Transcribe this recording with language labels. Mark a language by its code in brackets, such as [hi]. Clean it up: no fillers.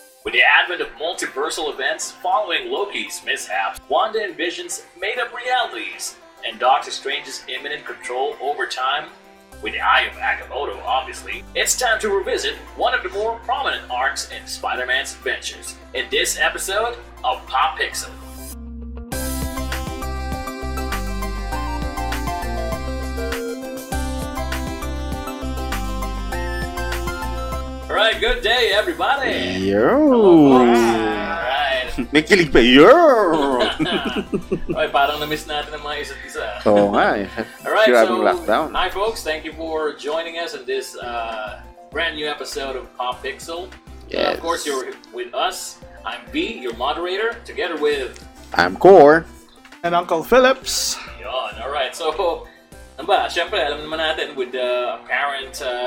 [en] With the advent of multiversal events following Loki's mishaps, Wanda and Vision's made-up realities, and Doctor Strange's imminent control over time, with the eye of Agamotto, obviously, it's time to revisit one of the more prominent arcs in Spider-Man's adventures in this episode of Pop Pixel. Alright, good day, everybody! [tl] Yo! Alright. May kilig pa, yo! Okay, parang namiss natin ang mga isa't isa. Oo nga eh. Alright, [en] so, lockdown. Hi folks, thank you for joining us in this brand new episode of Pop Pixel. Yes. Of course, you're with us. I'm B, your moderator, together with... I'm Core. And Uncle Phillips. [tl] Yon, alright. So, ano ba? Siyempre, alam naman natin [en] with the apparent...